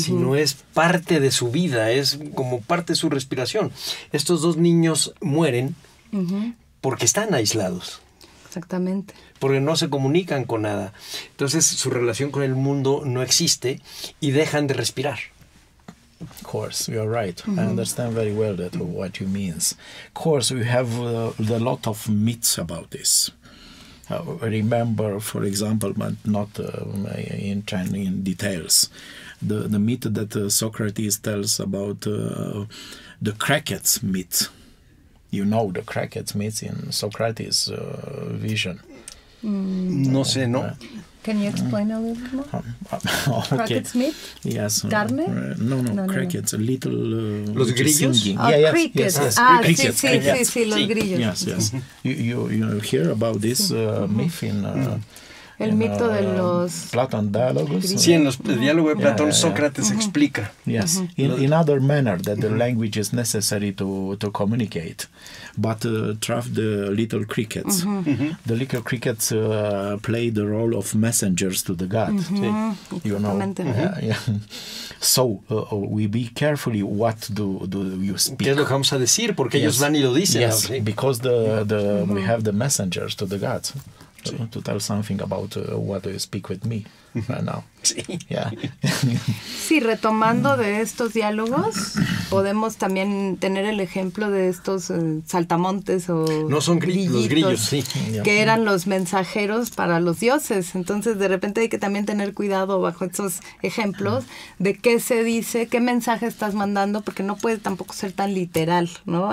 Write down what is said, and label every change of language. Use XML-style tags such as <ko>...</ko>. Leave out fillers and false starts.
<es>sino es parte de su vida, es como parte de su respiración. Estos dos niños mueren uh-huh. porque están aislados. Exactamente. Porque no se comunican con nada. Entonces, su relación con el mundo no existe y dejan de respirar.</es> <en>Of course, you are right. Mm-hmm. I understand very well that what you mean. Of course, we have a lot of myths about this. I remember, for example, but not in details, the myth that Socrates tells about the crickets myth. You know the crickets myth in Socrates' vision.</en> <es>Mm. No sé, no.</es> <en>Can you explain a little more? Okay. Crickets meat? Yes.</en> <es>Carne?</es> <en>No, crickets, no. A little...</en> <es>Los grillos? Crickets. Sí, sí, sí, los grillos.</es> <en>Yes, yes. You hear about this myth in...</en> <es>El mito de los... Platón diálogos. Sí, en los diálogos de Platón, Sócrates explica.</es> <en>Yes, in other manner that the language is necessary to communicate. But trap the little crickets. Mm-hmm. Mm-hmm. The little crickets play the role of messengers to the god. Mm-hmm. You know. Mm-hmm. So we be carefully what do you speak.</en> <es>¿Qué es lo que vamos a decir? Porque ellos van y lo dicen.</es> <en>Yes, because the mm-hmm. we have the messengers to the gods. Sí. To tell something about what do you speak with me right now.</en> <es>Sí.</es> <en>Yeah.</en> <es>Sí, retomando de estos diálogos, podemos también tener el ejemplo de estos saltamontes o no son los grillos, sí. Que eran los mensajeros para los dioses. Entonces, de repente hay que también tener cuidado bajo estos ejemplos de qué se dice, qué mensaje estás mandando, porque no puede tampoco ser tan literal, ¿no?</es>